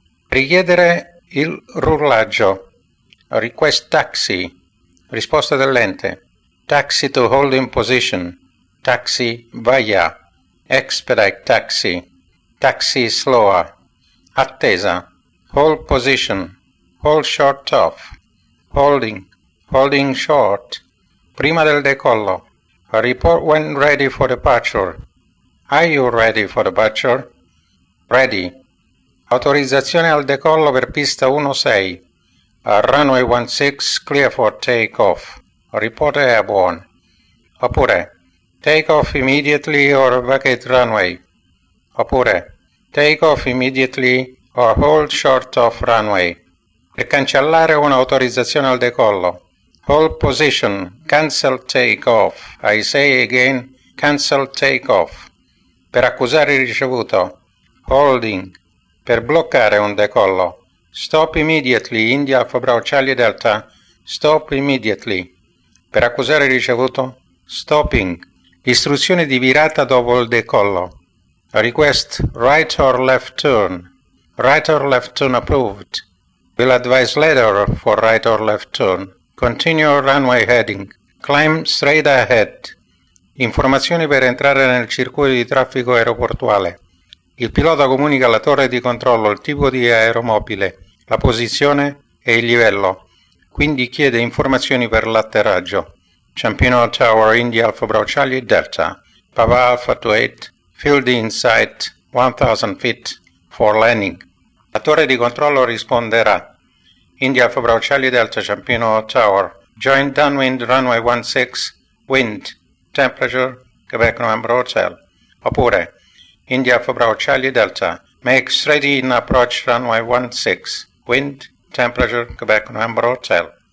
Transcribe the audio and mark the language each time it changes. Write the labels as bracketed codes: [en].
[it] Richiedere il rullaggio. [en] Request taxi. [it] Risposta dell'ente. [en] Taxi to holding position. Taxi via. Expedite taxi. Taxi slower. [it] Attesa. [en] Hold position. Hold short off. Holding. Holding short. [it] Prima del decollo. [en] Report when ready for departure. Are you ready for departure? Ready. [it] Autorizzazione al decollo per pista 16. [en] Runway 16, clear for take off. Report airborne. [it] Oppure, [en] Take off immediately or vacate runway. [it] Oppure, [en] take off immediately or hold short of runway. [it] Per cancellare un'autorizzazione al decollo, [en] hold position, cancel take off. I say again, cancel take off. [it] Per accusare il ricevuto, holding. Per bloccare un decollo, [en] stop immediately, [it] India, Alfa Bravo, Charlie Delta, stop immediately. Per accusare il ricevuto, [en] stopping. [it] Istruzione di virata dopo il decollo. [en] A request, right or left turn. Right or left turn approved. Will advise later for right or left turn. Continue runway heading. Climb straight ahead. [it] Informazioni per entrare nel circuito di traffico aeroportuale. Il pilota comunica alla torre di controllo il tipo di aeromobile, la posizione e il livello. Quindi chiede informazioni per l'atterraggio. [en] Ciampino Tower, India, Alfa Bravo, Charlie Delta. Papa Alpha 28, field in sight, 1000 feet for landing. [it] La torre di controllo risponderà. [en] India, Alfa Bravo, Charlie Delta, Ciampino Tower. Join downwind runway 16, wind, temperature, Quebec Number Hotel. [it] Oppure, [en] India, Alfa Bravo, Charlie Delta. Make straight in approach runway 16, wind, temperature, Quebec Number Hotel.